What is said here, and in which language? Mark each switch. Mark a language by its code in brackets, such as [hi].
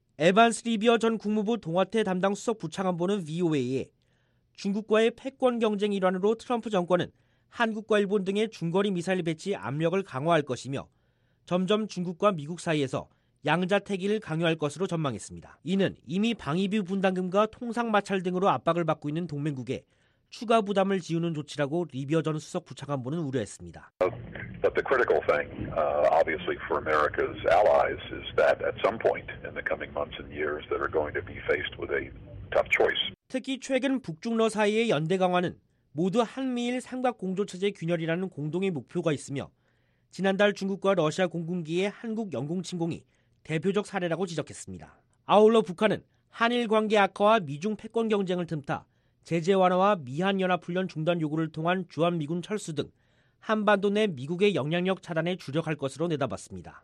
[ko] 에반스 리비어 전 국무부 동아태 담당 수석 부차관보는 VOA에 중국과의 패권 경쟁 일환으로 트럼프 정권은 한국과 일본 등의 중거리 미사일 배치 압력을 강화할 것이며 점점 중국과 미국 사이에서 양자태기를 강요할 것으로 전망했습니다. 이는 이미 방위비 분담금과 통상마찰 등으로 압박을 받고 있는 동맹국에 추가 부담을 지우는 조치라고 리비어 전 수석 부차관보는 우려했습니다. [en] But the critical thing, obviously for America's allies, is that at some point in the coming months and years that are going to be faced with a tough choice. [ko] 특히 최근 북중러 사이의 연대 강화는 모두 한미일 삼각공조체제 균열이라는 공동의 목표가 있으며 지난달 중국과 러시아 공군기의 한국 영공 침공이 대표적 사례라고 지적했습니다. 아울러 북한은 한일 관계 악화와 미중 패권 경쟁을 틈타 제재 완화와 미한연합훈련 중단 요구를 통한 주한미군 철수 등 한반도 내 미국의 영향력 차단에 주력할 것으로 내다봤습니다.